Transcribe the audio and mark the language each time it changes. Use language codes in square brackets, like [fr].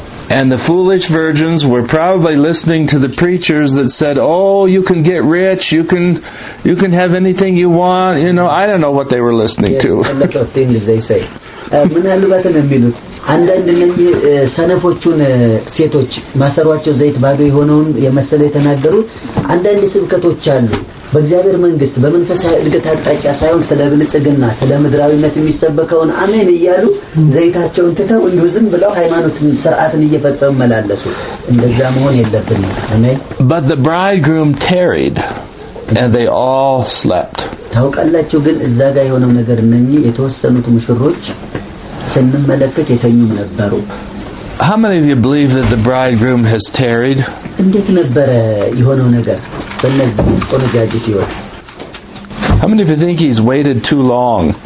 [en] And the foolish virgins were probably listening to the preachers that said, oh, you can get rich, you can have anything you want, you know. I don't know what they were listening to. [am] በእግዚአብሔር መንግስት በመንፈሳዊ እድገት አጣጫ ሳይሆን ስለብልጽግና ስለምድራዊነት የሚሰበከውን አሜን እያሉ ዘይታቸውን ትተው እንዲሁ ዝም ብለው ሃይማኖትን ስርዓትን እየፈጸሙ መላለሱ እንደዛ መሆን የለብንም አሜን [en] But the bridegroom tarried and they all slept. [am] ታውቃላችሁ ግን እዛ ጋር የሆነው ነገር ምን የተወሰኑት ሙሽሮች ስንመለከት የተኙም ነበሩ. [en] How many of you believe that the bridegroom has tarried? [am] እንዴት ነበር የሆነው ነገር? [en] How many of you think he's waited too long?